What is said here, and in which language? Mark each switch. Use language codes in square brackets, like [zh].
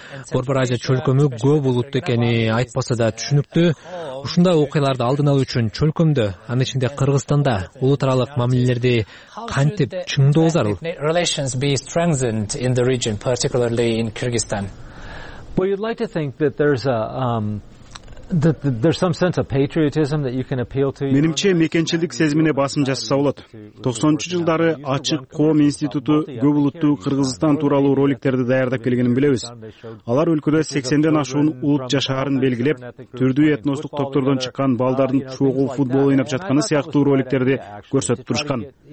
[ky] Борбор Азия чөлкөмү көп улутту экени айтпаса да түшүнүктүү. Ушундай окуяларды алдын алуу үчүн чөлкөмдө, анын ичинде Кыргызстанда улут аралык мамилелерди кантип чыңдоо зарыл? [en] Well, you'd like to think that there's a There's some sense of patriotism that you can appeal to. [ky] Менимче мекенчилдик сезимине басым жасаса болот. 90-чу жылдары Ачык коом институту көп улуттуу Кыргызстан тууралуу роликтерди даярдап келгенин билебиз. Алар өлкөдө 80 ашуун улут жашаарын белгилеп, түрдүү этностук топтордон чыккан балдардын чогуу футбол ойноп жатканы сыяктуу роликтерди көрсөтүп турушкан.